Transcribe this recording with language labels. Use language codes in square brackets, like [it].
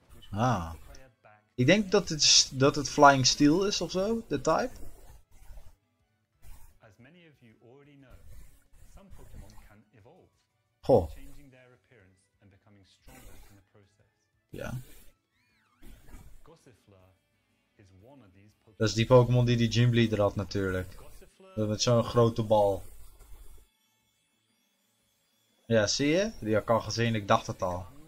[nl] Ah. Ik denk dat het Flying Steel is of zo, de type. [en] As many of you already know, some Pokémon can evolve, goh. Changing their appearance and becoming stronger in the process. [nl] Ja. [en] Gossifleur is one of these Pokémon. [nl] Dat is die Pokémon die gym leader had natuurlijk. Gossifleur met zo'n grote bal. Ja, zie je? Die had ik al gezien, ik dacht het al.